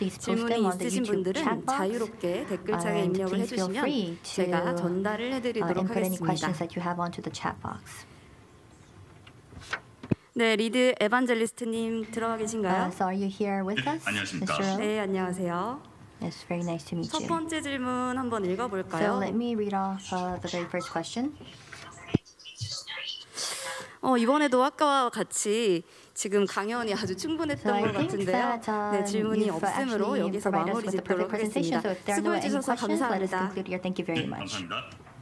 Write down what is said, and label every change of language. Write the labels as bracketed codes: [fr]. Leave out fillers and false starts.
[ko] 질문이 있으신 분들은 자유롭게 댓글창에 입력을 해주시면 제가 전달을 해드리도록 하겠습니다. 네, 리드 에반젤리스트님 들어와 계신가요? [en] So are you here with us? [ko] 안녕하십니까? 네, 안녕하세요. [en] It's very nice to meet you. [ko] 첫 번째 질문 한번 읽어볼까요? [en] So let me read off the very first question. [ko] 이번에도 아까와 같이 지금 강연이 아주 충분했던 것 같은데요. 네, 질문이 없으므로 여기서 마무리 짓도록 하겠습니다. 수고해 주셔서 감사합니다. 네, 감사합니다.